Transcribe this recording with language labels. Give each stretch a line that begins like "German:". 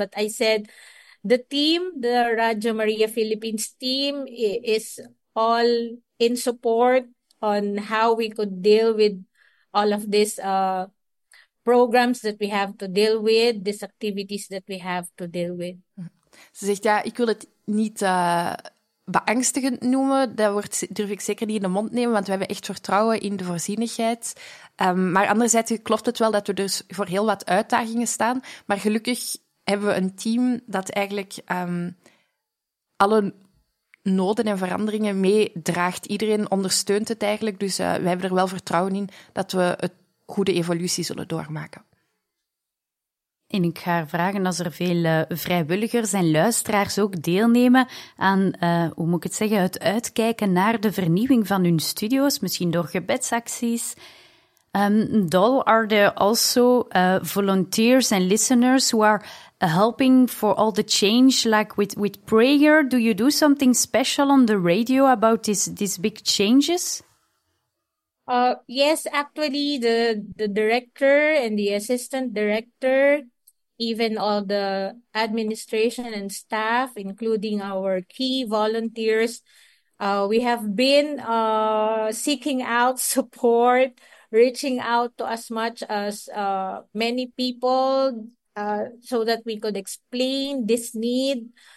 English: But I said, the team, the Radio Maria Philippines team, is all in support on how we could deal with all of these programs that we have to deal with, these activities that we have to deal with.
Dutch: Ze zegt, ja, ik wil het niet beangstigend noemen. Dat woord durf ik zeker niet in de mond nemen, want we hebben echt vertrouwen in de voorzienigheid. Maar anderzijds klopt het wel dat we dus voor heel wat uitdagingen staan. Maar gelukkig hebben we een team dat eigenlijk alle noden en veranderingen meedraagt. Iedereen ondersteunt het eigenlijk. Dus we hebben er wel vertrouwen in dat we een goede evolutie zullen doormaken. En ik ga haar vragen als er veel vrijwilligers en luisteraars ook deelnemen aan, hoe moet ik het zeggen, het uitkijken naar de vernieuwing van hun studio's, misschien door gebedsacties.
English: Dol, are there also volunteers and listeners who are helping for all the change, like with prayer? Do you do something special on the radio about these big changes? Yes, actually, the director and the assistant director, even all the administration and staff, including our key volunteers, we have been seeking out support, reaching out to as much as many people, so that we could explain this need,